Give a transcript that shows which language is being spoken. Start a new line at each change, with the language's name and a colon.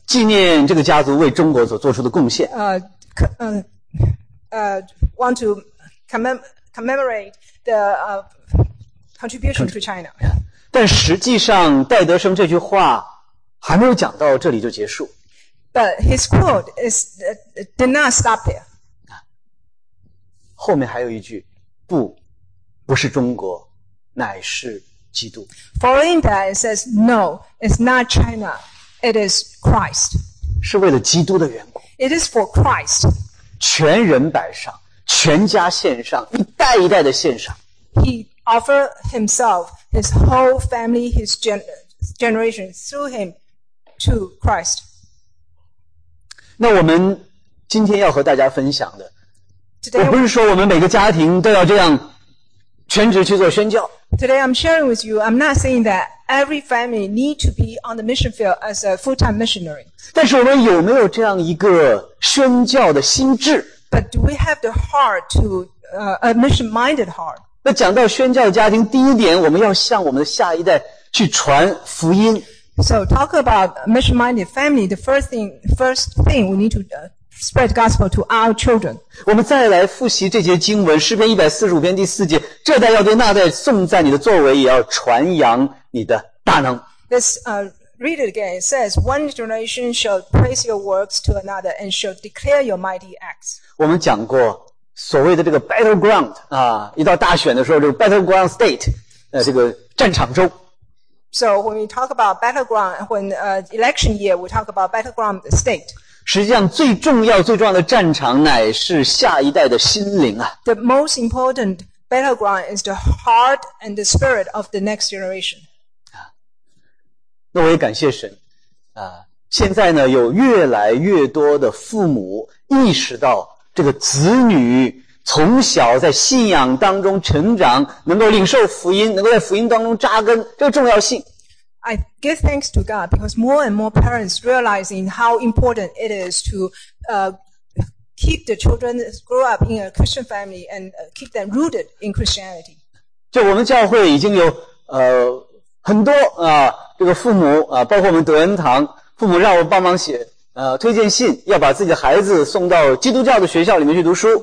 Chinese: 纪念这个家族为中国所做出的贡献。
English: Want to commemorate the contribution to China.
Chinese: 但实际上，戴德生这句话还没有讲到这里就结束。
English: But his quote is, did not stop there.
Chinese: 后面还有一句，不，不是中国，乃是基督。
English: Following that, it says, no, it's not China, it is Christ.
Chinese: 是为了基督的缘故。
English: It is for Christ.
Chinese: 全人摆上，全家献上，一代一代的献上。
English: He offered himself, his whole family, his generation through him to Christ.
Chinese: 那我们今天要和大家分享的，我不是说我们每个家庭都要这样全职去做宣教。
English: Today I'm sharing with you, I'm not saying that every family need to be on the mission field as a full-time missionary.
Chinese: 但是我们有没有这样一个宣教的心智？
English: But do we have the heart to, a mission-minded heart?
Chinese: 那讲到宣教家庭，第一点，我们要向我们的下一代去传福音。
English: So talk about mission-minded family, the first thing we need to do. Spread gospel to our children.
Chinese: 我们再来复习这节经文，诗篇145篇第四节，这代要对那代颂赞你的作为，也要传扬你的大能。
English: Let's, read it again. It says, one generation shall praise your works to another and shall declare your mighty acts.
Chinese: 我们讲过所谓的这个 battleground, 啊，一到大选的时候，这个 battleground state, 这个战场州。
English: So when we talk about battleground, when, election year, we talk about battleground state.
Chinese: 实际上最重要最重要的战场乃是下一代的心灵啊。
English: The most important battleground is the heart and the spirit of the next generation.
Chinese: 那我也感谢神。现在呢有越来越多的父母意识到这个子女从小在信仰当中成长，能够领受福音，能够在福音当中扎根，这个重要性。
English: I give thanks to God because more and more parents realizing how important it is to, keep the children grow up in a Christian family and keep them rooted in Christianity.
Chinese: 就我们教会已经有很多这个父母包括我们德恩堂父母让我帮忙写推荐信，要把自己的孩子送到基督教的学校里面去读书。